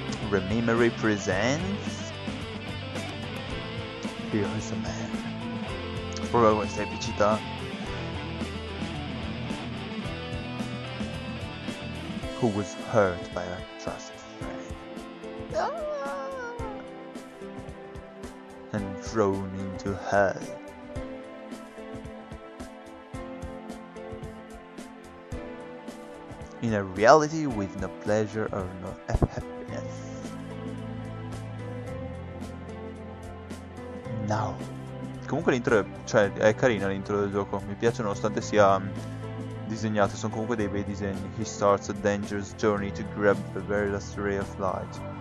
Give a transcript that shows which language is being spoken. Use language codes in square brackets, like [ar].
[en] Rememory Presents? Here is a man. [it] Proprio questa epicità. [en] Who was hurt by a trusted friend. And thrown into hell. In a reality with no pleasure or no happiness. No. [it] Comunque l'intro è carina l'intro del gioco. Mi piace nonostante sia disegnato, sono comunque dei bei disegni. [en] He starts a dangerous journey to grab the very last ray of light.